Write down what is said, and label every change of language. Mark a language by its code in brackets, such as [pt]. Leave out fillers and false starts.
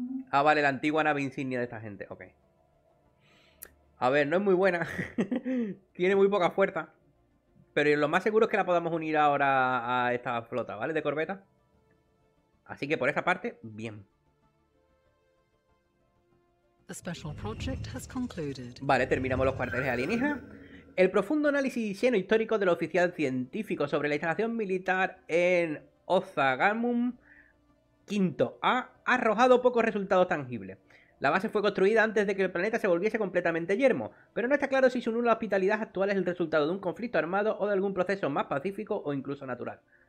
[es] Ah, vale, la antigua nave insignia de esta gente. Ok. A ver, no es muy buena. Tiene muy poca fuerza. Pero lo más seguro es que la podamos unir ahora a esta flota, ¿vale? De corbeta. Así que por esa parte, bien. [en] The special project has concluded. [es] Vale, terminamos los cuarteles alienígenas. El profundo análisis lleno histórico del oficial científico sobre la instalación militar en Ozagamum V ha arrojado pocos resultados tangibles. La base fue construida antes de que el planeta se volviese completamente yermo, pero no está claro si su nula hospitalidad actual es el resultado de un conflicto armado o de algún proceso más pacífico o incluso natural.